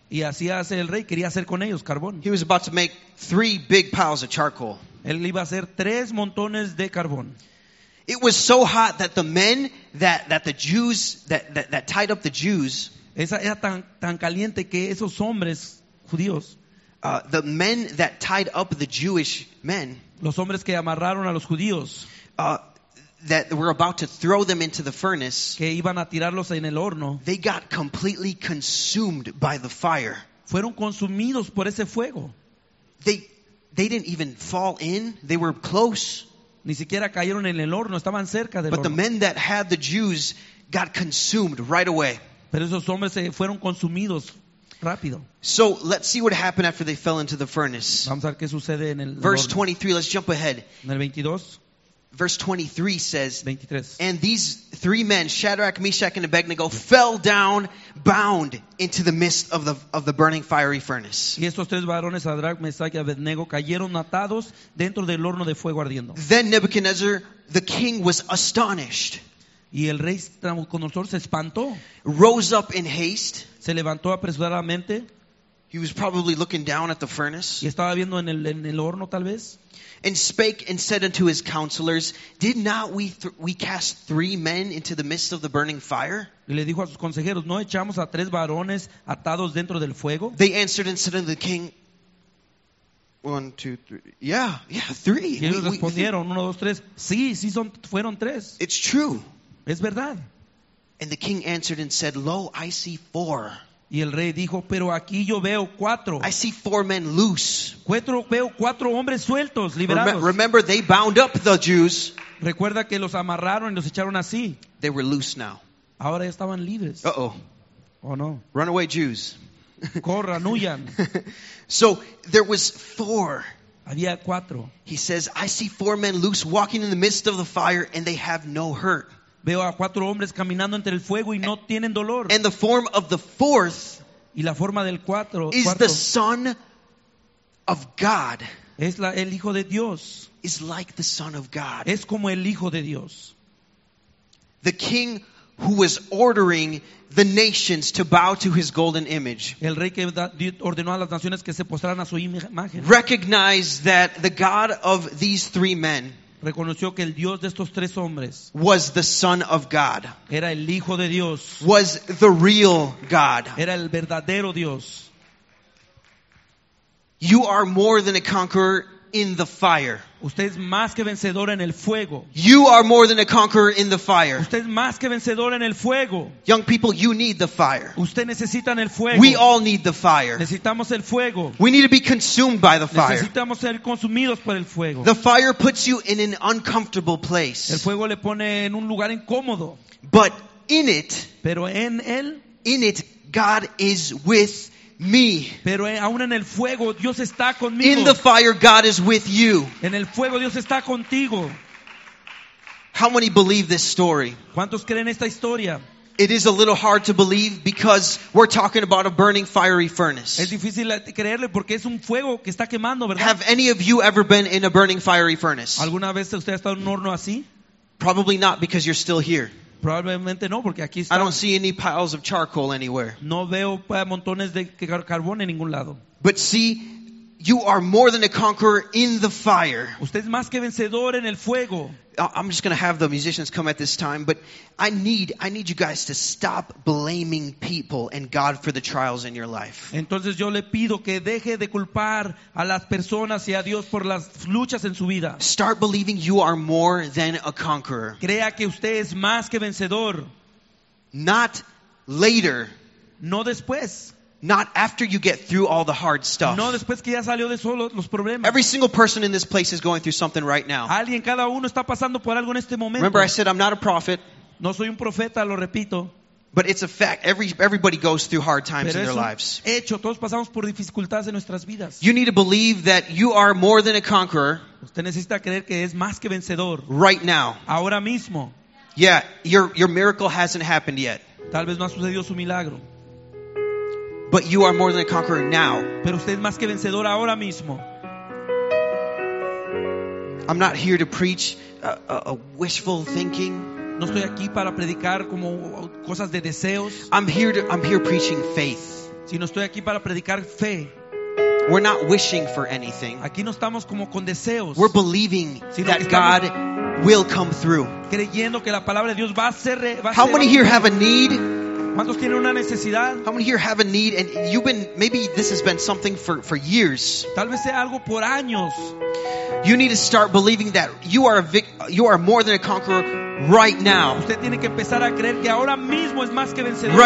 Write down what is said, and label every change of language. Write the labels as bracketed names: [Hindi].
[Spanish] Y así hace el rey, quería hacer con ellos carbón. [English] He was about to make 3 big piles of charcoal. [Spanish] Él iba a hacer 3 montones de carbón. [English] It was so hot that the men that the Jews tied up the Jews. [Spanish] Esa era tan caliente que esos hombres judíos. [English] The men that tied up the Jewish men. [Spanish] Los hombres que amarraron a los judíos. [English] That were about to throw them into the furnace. [Spanish] Que iban a tirarlos en el horno. [English] They got completely consumed by the fire. [Spanish] Fueron consumidos por ese fuego. [English] They didn't even fall in. They were close. [Spanish] Ni siquiera cayeron en el horno. Estaban cerca del horno. [English] But the men that had the Jews got consumed right away. [Spanish] Pero esos hombres se fueron consumidos rápido. [English] So let's see what happened after they fell into the furnace. [Spanish] Vamos a ver qué sucede en el horno. [English] Verse 23. Let's jump ahead. [Spanish] En el 22. [English] Verse 23 says, [Spanish] 23. [English] And these 3 men, Shadrach, Meshach, and Abednego, fell down bound into the midst of the burning fiery furnace. [Spanish] Y estos 3 varones, Shadrach, Meshach, y Abednego, cayeron atados dentro del horno de fuego ardiendo. [English] Then Nebuchadnezzar, the king, was astonished. [Spanish] Y el rey Nabucodonosor se espantó. [English] Rose up in haste. [Spanish] Se levantó apresuradamente. [English] He was probably looking down at the furnace. [Spanish] Y estaba viendo en el horno, tal vez. [English] And spake and said unto his counselors, did not we cast 3 men into the midst of the burning fire? [Spanish] Y le dijo a sus consejeros, ¿no echamos a 3 varones atados dentro del fuego? [English] They answered and said unto the king, 1, 2, 3. Yeah, 3. [Spanish] Y ellos respondieron, 1, 2, 3. Sí, sí son, fueron 3. [English] It's true. [Spanish] Es verdad. [English] And the king answered and said, lo, I see 4. [Spanish] Y el rey dijo, pero aquí yo veo 4. [English] I see 4 men loose. [Spanish] Veo 4 hombres sueltos, liberados. [English] Remember, they bound up the Jews. [Spanish] Recuerda que los amarraron y los echaron así. [English] They were loose now. [Spanish] Ahora ya estaban libres. [English] Uh-oh. [Spanish] Oh, no. [English] Runaway Jews. [Spanish] Corran, huyan. [English] So there was 4. [Spanish] Había 4. [English] He says, I see 4 men loose walking in the midst of the fire and they have no hurt. [Spanish] Veo a 4 hombres caminando entre el fuego y no tienen dolor. [English] And the form of the fourth [Spanish] y la forma del cuatro, [English] is [Spanish] cuarto, [English] the Son of God. [Spanish] Es el Hijo de Dios. [English] Is like the Son of God. [Spanish] Es como el Hijo de Dios. [English] The king who was ordering the nations to bow to his golden image. [Spanish] El rey que ordenó a las naciones que se postraran a su imagen. [English] Recognized that the God of these 3 men [Spanish] reconoció que el Dios de estos 3 hombres [English] was the Son of God. [Spanish] Era el Hijo de Dios. [English] Was the real God. [Spanish] Era el verdadero Dios. [English] You are more than a conqueror in the fire. [Spanish] Usted es más que vencedor en el fuego. [English] You are more than a conqueror in the fire. [Spanish] Usted es más que vencedor en el fuego. [English] Young people, you need the fire. [Spanish] Usted necesita el fuego. [English] We all need the fire. [Spanish] Necesitamos el fuego. [English] We need to be consumed by the fire. [Spanish] Necesitamos ser consumidos por el fuego. [English] The fire puts you in an uncomfortable place. [Spanish] El fuego le pone en un lugar incómodo. [English] But in it, [Spanish] pero en él, [English] in it, God is with me. [Spanish] Pero aún en el fuego, Dios está conmigo. [English] In the fire, God is with you. [Spanish] En el fuego, Dios está contigo. [English] How many believe this story? [Spanish] ¿Cuántos creen esta historia? [English] It is a little hard to believe because we're talking about a burning fiery furnace. [Spanish] Es difícil creerle porque es un fuego que está quemando, ¿verdad? [English] Have any of you ever been in a burning fiery furnace? [Spanish] ¿Alguna vez usted ha estado en un horno así? [English] Probably not because you're still here. [Spanish] Probablemente no, porque aquí está. [English] I don't see any piles of charcoal anywhere. [Spanish] No veo montones de carbón en ningún lado. [English] But see, you are more than a conqueror in the fire. [Spanish] Usted es más que vencedor en el fuego. [English] I'm just going to have the musicians come at this time, but I need you guys to stop blaming people and God for the trials in your life. [Spanish] Entonces yo le pido que deje de culpar a las personas y a Dios por las luchas en su vida. [English] Start believing you are more than a conqueror. [Spanish] Crea que usted es más que vencedor. [English] Not later. [Spanish] No después. [English] Not after you get through all the hard stuff. [Spanish] No, después que ya salió de solo los problemas. [English] Every single person in this place is going through something right now. [Spanish] Alguien, cada uno está pasando por algo en este momento. [English] Remember, I said I'm not a prophet. [Spanish] No soy un profeta, lo repito. [English] But it's a fact. Everybody goes through hard times. [Spanish] Pero [English] in their lives. [Spanish] Hecho, todos pasamos por dificultades en nuestras vidas. [English] You need to believe that you are more than a conqueror. [Spanish] Usted necesita creer que es más que vencedor. [English] Right now. [Spanish] Ahora mismo. [English] Yeah, your miracle hasn't happened yet. [Spanish] Tal vez no ha sucedido su milagro. [English] But you are more than a conqueror now. [Spanish] Pero usted es más que vencedor ahora mismo. [English] I'm not here to preach a wishful thinking. [Spanish] No estoy aquí para predicar como cosas de deseos. [English] I'm here preaching faith. [Spanish] Si no estoy aquí para predicar fe. [English] We're not wishing for anything. [Spanish] Aquí no estamos como con deseos. [English] We're believing that God will come through. [Spanish] Creyendo que la palabra de Dios va a ser. [English] How many here have a need? [Spanish] ¿Cuántos tienen una necesidad? [English] How many here have a need, and you've been, maybe this has been something for years. [Spanish] Tal vez sea algo por años. [English] You need to start believing that you are more than a conqueror right now. [Spanish] Usted tiene que empezar a creer que ahora mismo es más que vencedor.